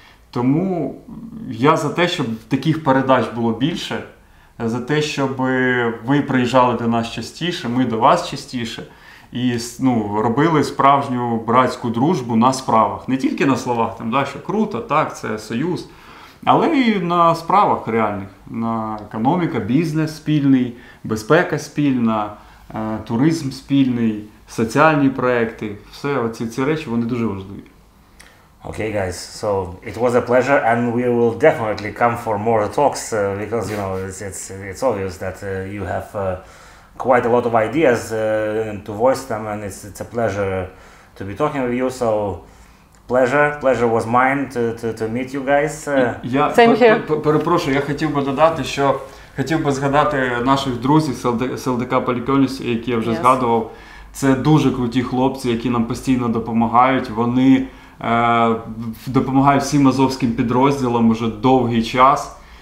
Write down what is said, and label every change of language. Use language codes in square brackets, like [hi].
[uk] Тому я за те, щоб таких передач було більше, за те, щоб ви приїжджали до нас частіше, ми до вас частіше, і робили справжню братську дружбу на справах. Не тільки на словах, що круто, так, це союз, але і на справах реальних. На економіка, бізнес спільний, безпека спільна, туризм спільний, соціальні проекти, все ці речі, вони дуже важливі. [en] Okay, guys, so it was a pleasure, and we will definitely come for more talks, because, you know, it's obvious that you have quite a lot of ideas to voice them, and it's a pleasure to be talking with you, so pleasure was mine to meet you guys. Same here. [uk] Перепрошую, я хотів би додати, що хотів би згадати наших друзів з ЛДК «Поліконіс», які я вже згадував. Це дуже круті хлопці, які нам постійно допомагають. Вони допомагають всім азовським підрозділам уже довгий час.